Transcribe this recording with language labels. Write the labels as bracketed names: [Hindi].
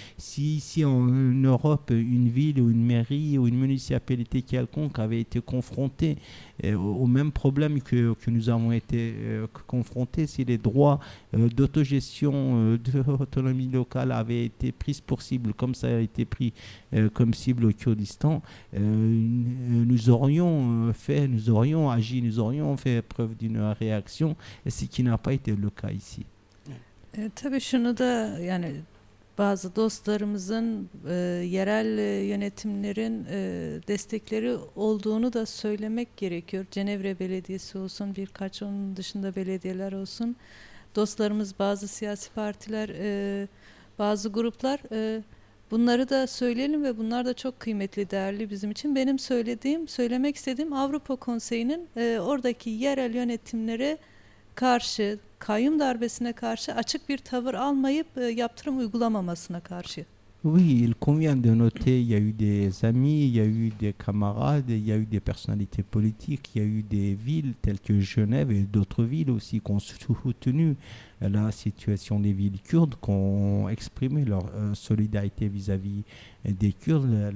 [French] Si ici en Europe, une ville ou une mairie ou une municipalité quelconque avait été confrontée au même problème que nous avons été confrontés, si les droits d'autogestion, d'autonomie locale avaient été pris pour cible, comme ça a été pris comme cible au Kurdistan, nous aurions fait preuve d'une réaction, ce qui n'a pas été le cas ici. [Turkish] Tabii şunu da, yani bazı dostlarımızın yerel yönetimlerin destekleri olduğunu da söylemek gerekiyor. Cenevre Belediyesi olsun, birkaç onun dışında belediyeler olsun. Dostlarımız, bazı siyasi partiler, bazı gruplar, bunları da söyleyelim ve bunlar da çok kıymetli, değerli bizim için. Benim söylemek istediğim Avrupa Konseyi'nin oradaki yerel yönetimlere karşı, kayyum darbesine karşı açık bir tavır almayıp yaptırım uygulamamasına karşı. [French] Oui, il convient de noter, il y a eu des amis, il y a eu des camarades, il y a eu des personnalités politiques, il y a eu des villes telles que Genève et d'autres villes aussi qui ont soutenu la situation des villes kurdes, qui ont exprimé leur solidarité vis-à-vis des Kurdes.